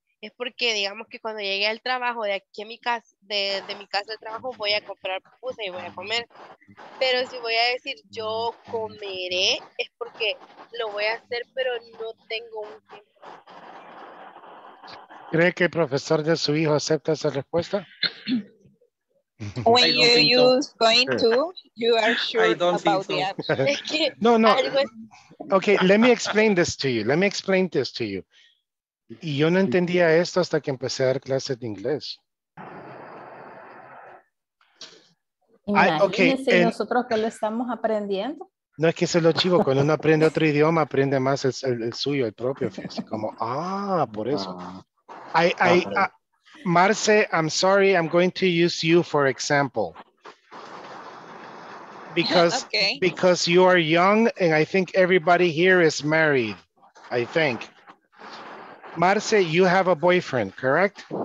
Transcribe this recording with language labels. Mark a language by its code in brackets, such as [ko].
[es] Es porque digamos que cuando llegué al trabajo, de aquí a mi casa, de mi casa de trabajo, voy a comprar pupusas y voy a comer. Pero si voy a decir yo comeré, es porque lo voy a hacer, pero no tengo un tiempo. ¿Cree que el profesor de su hijo acepta esa respuesta? [en] When you use going to, you are sure about the answer. No. Okay, let me explain this to you. [es] Y yo no entendía esto hasta que empecé a dar clases de inglés. Nosotros que lo estamos aprendiendo. No es que se lo chivo, cuando uno aprende otro idioma, aprende más el suyo, el propio. Es como, por eso. [en] Marce, I'm sorry, I'm going to use you for example. Because you are young, and I think everybody here is married, I think. Marce, you have a boyfriend, correct?